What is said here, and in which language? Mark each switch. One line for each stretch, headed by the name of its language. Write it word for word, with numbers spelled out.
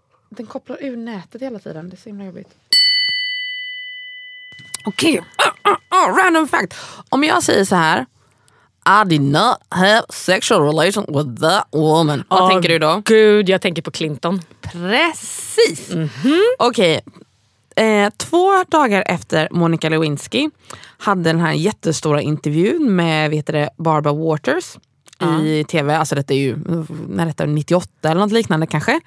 Swedish: Den kopplar ur nätet hela tiden. Det är så himla jobbigt. Okej, okay. uh, uh, uh, random fact. Om jag säger så här,
English: I did not have sexual relation with that woman.
Swedish: Vad oh, tänker du då? Gud, jag tänker på Clinton. Precis. Mm-hmm. Okej. Eh, två dagar efter Monica Lewinsky hade den här jättestora intervjun med vet det, Barbara Walters ja. i tv. Alltså detta är ju när detta är nittioåtta eller något liknande kanske.